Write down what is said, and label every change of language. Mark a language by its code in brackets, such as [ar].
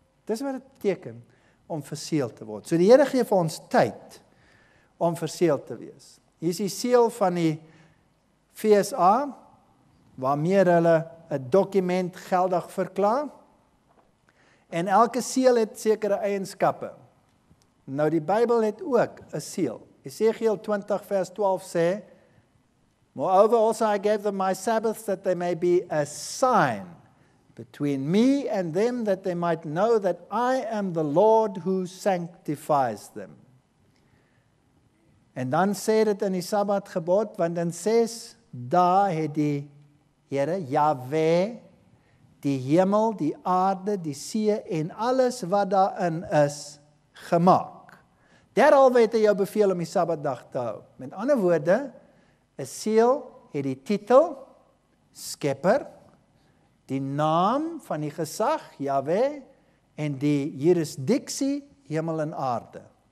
[af] Dis wat dit beteken om verseël te word. So die Here gee vir ons tyd om verseël te wees. Hier is die seël van die FSA, waarmee hulle 'n dokument geldig verklaar. En elke seël het sekere eienskappe. Nou die Bybel het ook 'n seël. Esegiel 20 vers 12 sê, [en] Moreover also I gave them my Sabbaths that they may be a sign between me and them that they might know that I am the Lord who sanctifies them. [af] En dan sê dit in die Sabbat gebod, want in 6 dae het die Here, Yahweh, die hemel, die aarde, die see en alles wat daarin is, gemaak. Derhalwe het hy jou beveel om die Sabbatdag te hou. Met ander woorde, 'n seël het die titel, Skepper, die naam van die gesag, Yahweh, en die jurisdiksie, hemel en aarde.